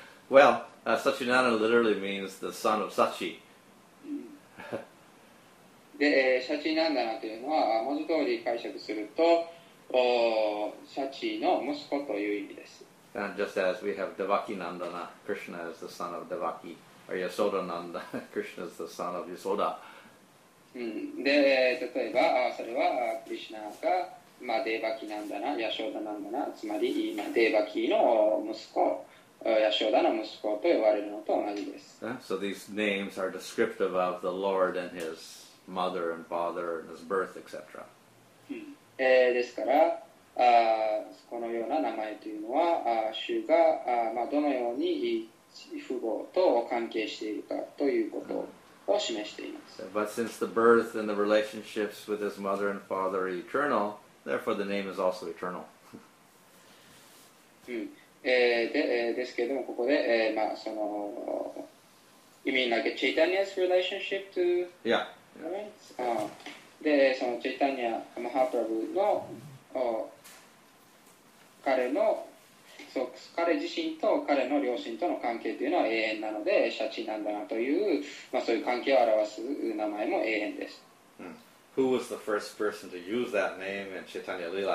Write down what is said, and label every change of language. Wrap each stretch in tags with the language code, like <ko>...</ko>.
<en>Well, Shachinanda literally means the son of Sachi.</en> <ja>でシャチナンダナというのは文字通り解釈するとシャチの息子という意味です。</ja> <en>And just as we have Devaki Nandana, Krishna is the son of Devaki, or Yasoda Nanda, Krishna is the son of Yasoda.</en> <ja>で例えばそれはクリシナがまあデバキナンダナ、ヤショーダナンダナ、つまりまあデバキの息子、ヤショーダの息子と呼ばれるのと同じです。</ja> <en>So these names are descriptive of the Lord and His. Mother and father and his birth, etc.</en> <ja>ですから、このような名前というのは、主が、まあ、どのように父母と関係しているかということを示しています。</ja> <en>But since the birth and the relationships with his mother and father are eternal, therefore the name is also eternal.</en> <ja>ですけれども、ここで、まあ、その、</ja> <en>you mean like a Chaitanya's relationship to? Yeah. Right.</en> <ja>でそのチェイタニア・マハプラブの彼のそう彼自身と彼の両親との関係というのは永遠なのでシャチナンダナという、まあ、そういう関係を表す名前も永遠です、</ja> <en>Who was the first person to use that name in Chaitanya Lila?</en>